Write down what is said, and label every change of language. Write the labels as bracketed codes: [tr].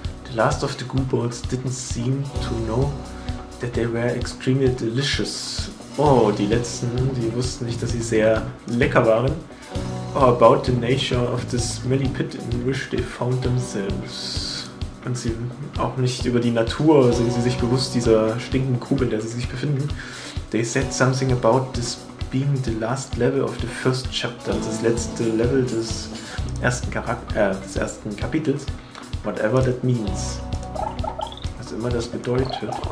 [en] The last of the Goobots didn't seem to know that they were extremely delicious. [de] Oh, die letzten, die wussten nicht, dass sie sehr lecker waren. [en] Oh, about the nature of the smelly pit in which they found themselves. [de] Und sie auch nicht über die Natur sind sie sich bewusst dieser stinkenden Grube, in der sie sich befinden. [en] They said something about this being the last level of the first chapter, [de] das letzte Level des ersten Kapitels. [en] Whatever that means. [de] Was immer das bedeutet.